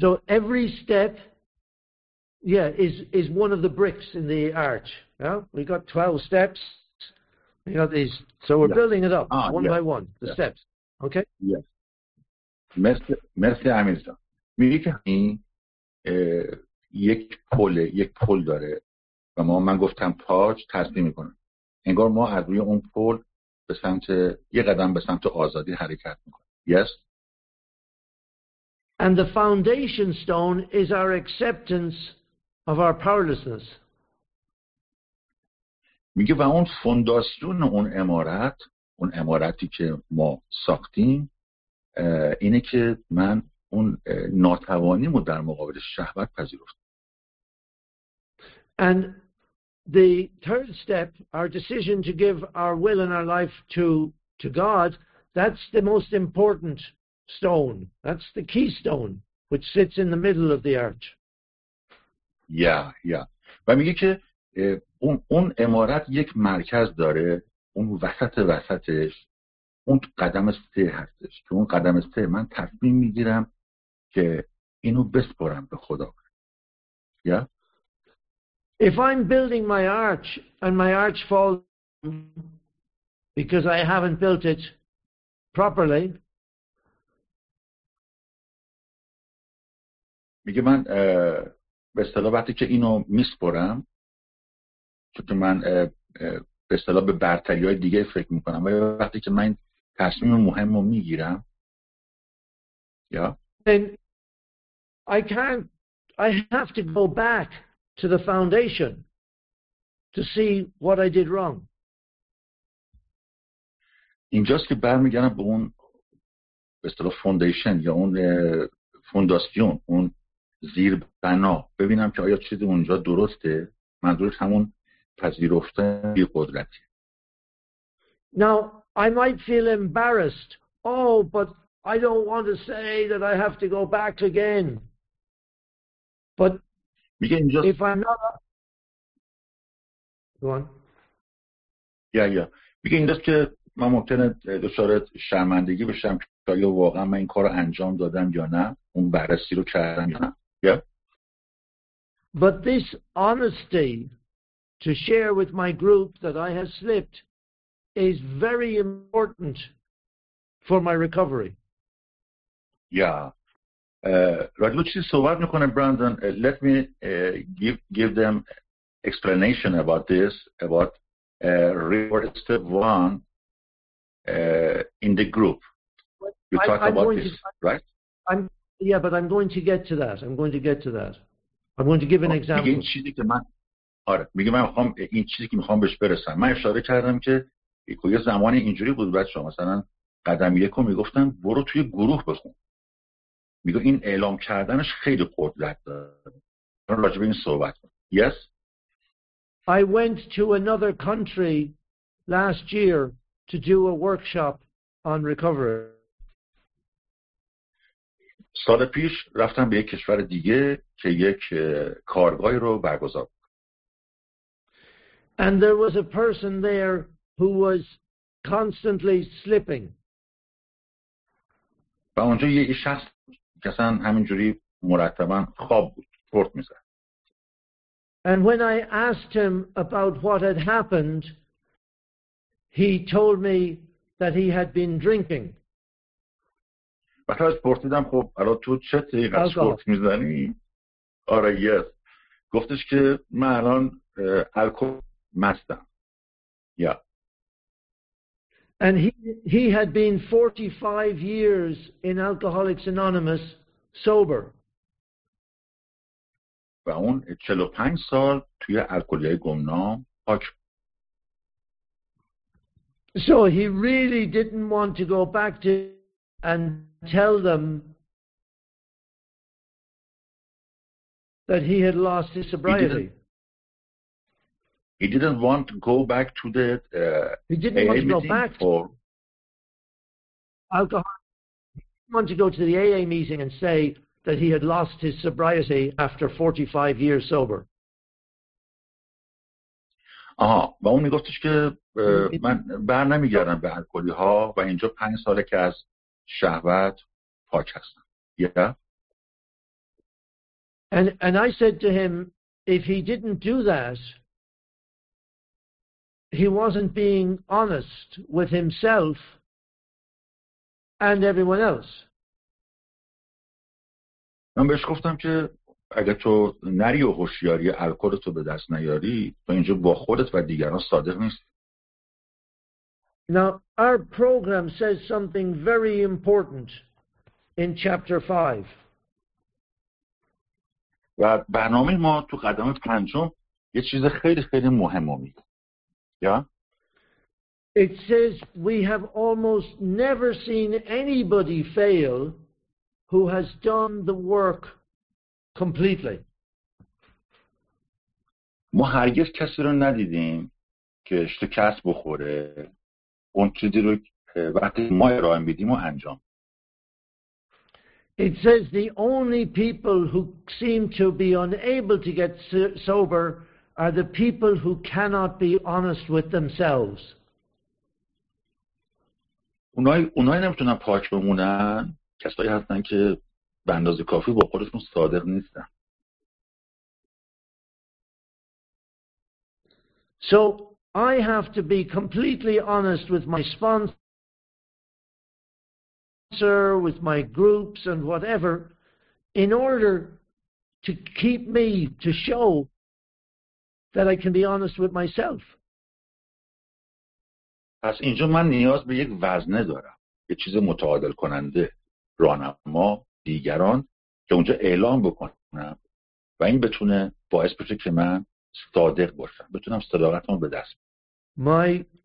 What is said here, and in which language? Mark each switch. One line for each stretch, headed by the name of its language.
English: So every step, is one of the bricks in the arch. Yeah, we got 12 steps. You got these, so we're building it up one by one. The steps. Okay. Yes.
Persian: مرسی امیرجان. میگه که این یک پله، یک پل داره و من گفتم پاچ تصدیم میکنه، انگار ما از روی اون پل به سمت یه قدم به سمت آزادی حرکت میکنه.
English: Yes. And the foundation stone is our acceptance of our powerlessness.
Persian: میگه و اون فونداسیون اون عمارت، اون عمارتی که ما ساختیم، اینه که من اون ناتوانیمو در مقابل شهوت پذیرفتم.
English: And the third step, our decision to give our will and our life to God, that's the most important stone. That's the keystone which sits in the middle of the arch. Yeah, yeah.
Persian: و میگه که اون عمارت یک مرکز داره، اون وسط وسطش، اون قدم سه هستش. تو اون قدم سه من تصمیم میگیرم که اینو بسپرم به خدا.
English: Yeah. If I'm building my arch and my arch falls because I haven't built it properly.
Persian: میگه من به اصطلاح وقتی که اینو میسپرم، چون من به اصطلاح به برتری های دیگه فکر میکنم، و وقتی که من تصمیم مهم رو میگیرم، یا
English: then I have to go back to the foundation to see what I did wrong.
Persian: اینجاست که برمیگردم به اون به اصطلاح فوندیشن یا اون فونداسیون، اون زیر بنا، ببینم که آیا چیزی اونجا درسته. منظورش همون پذیرفتن بی قدرتی.
English: Now I might feel embarrassed. Oh, but I don't want to say that I have to go back again. But
Persian: اینجاست...
English: if I'm not, go on. Yeah, yeah.
Persian: میگه اینجاست که من ممکنه دچار شرمندگی بشم که آیا واقعا من این کارو انجام دادم یا نه، اون بررسی رو کردم یا نه.
English: Yeah. But this honesty to share with my group that I have slipped is very important for my recovery. Yeah. Right, which is so what you can, Brandon, let me give them explanation about this, about reward step one in the group. You talk about this, right? Yeah, but I'm going to get to that. I'm going to give an example.
Persian: میگه این چیزی که من میخوام این چیزی که میخوام بهش برسم. من اشاره کردم که یه زمانی اینجوری بود بچه‌ها، مثلا قدم یکو میگفتن برو توی گروه بخون. میگه این اعلام کردنش خیلی قدرت داره. من راجع به این صحبت کنم.
English: Yes. I went to another country last year to do a workshop on recovery.
Persian: سال پیش رفتم به یک کشور دیگه که یک کارگاهی رو برگزار کنم.
English: And there was a person there who was constantly slipping.
Persian: و اونجا یه شخص کسان همینجوری مرتبا خواب بود، پرت می‌زد.
English: And when I asked him about what had happened, he told me that he had been drinking.
Persian: وقتی از پرسیدم خب الان تو چه طریق از پورت میزنی؟ آره یه گفتش که من الان الکل مستم.
English: Yeah. And he had been 45 years in Alcoholics Anonymous sober.
Persian: و اون 45 سال توی الکلی گمنام پاک.
English: So he really didn't want to go back to and tell them that he had lost his sobriety. He didn't want to go back to the he didn't AA want to go back for alcohol. He didn't want to go to the AA meeting and say that he had lost his sobriety after 45 years sober.
Persian: آها، و اون میگفتش که من بر نمیگردم به الکلی ها و اینجا 5 ساله که از شهوت پاک هستم.
English: Yeah. And I said to him if he didn't do that he wasn't being honest with himself and everyone else.
Persian: من بهش گفتم که اگه تو نری و هوشیاری الکل تو به دست نیاری، تو اینجا با خودت و دیگران صادق نیستی.
English: Now our program says something very important in chapter 5.
Persian: و برنامه ما تو قدم پنجم یه چیز خیلی خیلی مهم میگه.
English: Yeah? It says we have almost never seen anybody fail who has done the work completely.
Persian: ما هرگز کسی رو ندیدیم که شکست بخوره. اون چیزی رو وقتی ما ارائه میدیم و انجام.
English: It says the only people who seem to be unable to get sober are the people who cannot be honest with themselves.
Persian: اونایی نمیتونن پاک بمونن کسایی هستن که به اندازه کافی با خودشون صادق نیستن.
English: So I have to be completely honest with my sponsor, with my groups and whatever, in order to keep me, to show that I can be honest with myself.
Persian: پس اینجا من نیاز به یک وزنه دارم. یک چیز متعادل کننده. راهنما دیگران که اونجا اعلام بکنم و این بتونه باعث بشه که من صادق باشم. بتونم صداقتمو به دست بیارم.